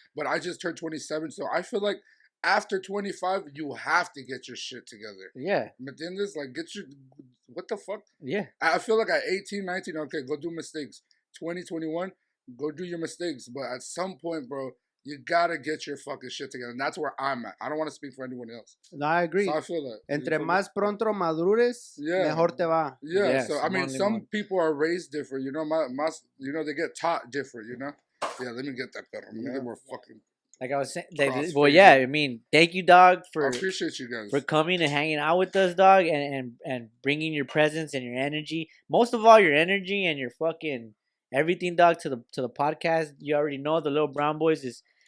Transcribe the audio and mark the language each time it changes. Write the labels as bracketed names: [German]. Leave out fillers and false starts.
[English] But I just turned 27, so I feel like after 25, you have to get your shit together. Yeah. But then this, like, get your, what the fuck? Yeah. I feel like at 18, 19, okay, go do mistakes. 20, 21, go do your mistakes. But at some point, bro, you got to get your fucking shit together. And that's where I'm at. I don't want to speak for anyone else. No, I agree. So I feel that. [Spanish] Entre más pronto madures, mejor te va. [English] Yeah. So, I mean, some people are raised different. You know, they get taught different, you know? Yeah, let me get that better. Let me get more fucking. Like I was saying, I mean, thank you, dog, for coming and hanging out with us, dog, and bringing your presence and your energy, most of all your energy and your fucking everything, dog, to the podcast. You already know the little brown boys is